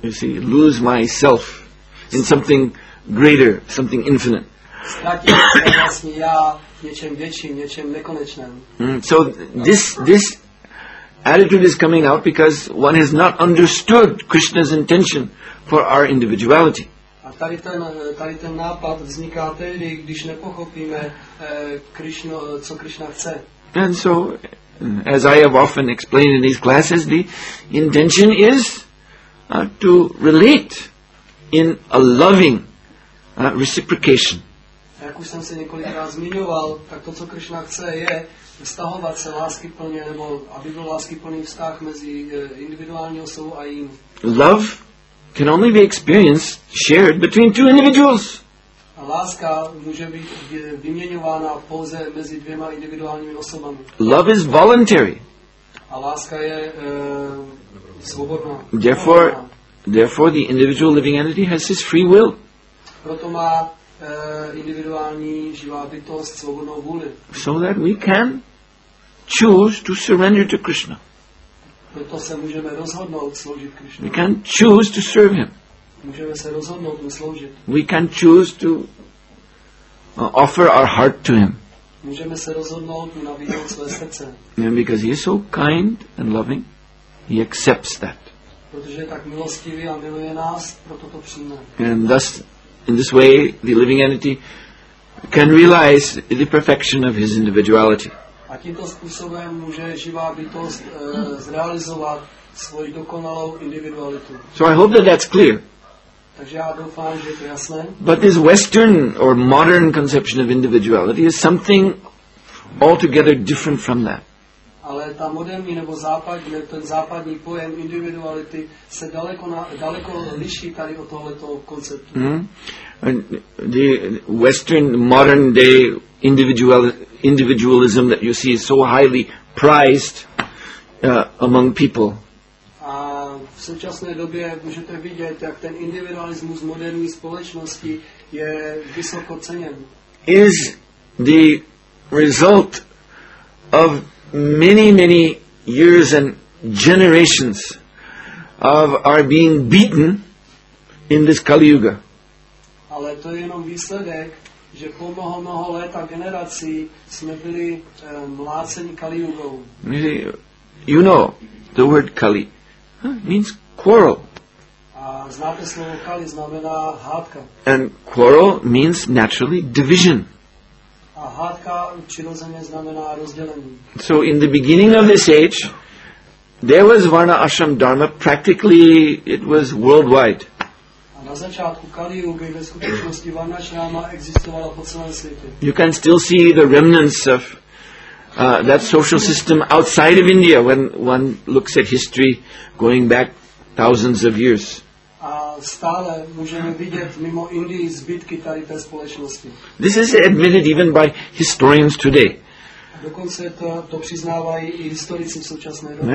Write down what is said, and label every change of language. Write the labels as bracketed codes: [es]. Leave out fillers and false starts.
[en] You see, lose myself in something greater, something infinite. [cs] Ztratím vlastně já něčem větším, něčem nekonečném. [en] So this attitude is coming out because one has not understood Krishna's intention for our individuality. [cs] A tady ten nápad vzniká tehdy, když nepochopíme Krishna, co Krishna chce. [en] And so, as I have often explained in these classes, the intention is to relate in a loving reciprocation. [cs] Jak už jsem se několikrát zmiňoval, tak to, co Krishna chce, je vztahovat se láskyplně, nebo aby byl láskyplný vztah mezi individuální osobou a jím. [en] Love can only be experienced, shared between two individuals. [cs] A láska může být vyměňována pouze mezi dvěma individuálními osobami. [en] Love is voluntary. [cs] A láska je svobodná. [en] Therefore, the individual living entity has his free will. [cs] Proto má individuální živá bytost svobodnou vůli. [en] So that we can choose to surrender to Krishna. [cs] Proto se můžeme rozhodnout sloužit Krishna. [en] We can choose to serve Him. [cs] Můžeme se rozhodnout mu sloužit. [en] We can choose to offer our heart to Him. [cs] Můžeme se rozhodnout mu nabídnout své srdce. [en] And because he is so kind and loving, he accepts that. [cs] Protože je tak milostivý a miluje nás, proto to přijme. [en] And thus, in this way, the living entity can realize the perfection of his individuality. [cs] A tímto způsobem může živá bytost zrealizovat svoji dokonalou individualitu. [en] So I hope that that's clear. [cs] Takže já doufám, že je to jasné. [en] But this Western or modern conception of individuality is something altogether different from that. [cs] Ale ta moderní nebo západní, ten západní pojem individuality se daleko liší tady od tohoto konceptu. Mm-hmm. [en] And the Western modern day individualism that you see is so highly prized among people. [cs] A v současné době můžete vidět, jak ten individualismus moderní společnosti je vysoko ceněn. [en] Is the result of many, many years and generations of our being beaten in this Kali Yuga. [cs] Ale to je jenom výsledek, že po mnoho, mnoho let a generací jsme byli mláceni Kali Yugou. [en] You know, the word Kali means quarrel. [cs] A znáte slovo Kali, znamená hádka. [en] And quarrel means naturally division. [cs] A hádka přirozeně znamená rozdělení. [en] So in the beginning of this age, there was Varna Ashram Dharma, practically it was worldwide. [cs] A na začátku Kali Yugy ve skutečnosti Varna Ashrama existovala po celém světě. [en] You can still see the remnants of that social system outside of India when one looks at history going back thousands of years. [cs] A stále můžeme vidět mimo Indii zbytky tady té společnosti. [en] This is admitted even by historians today. [cs] Dokonce to přiznávají i historici v současné době.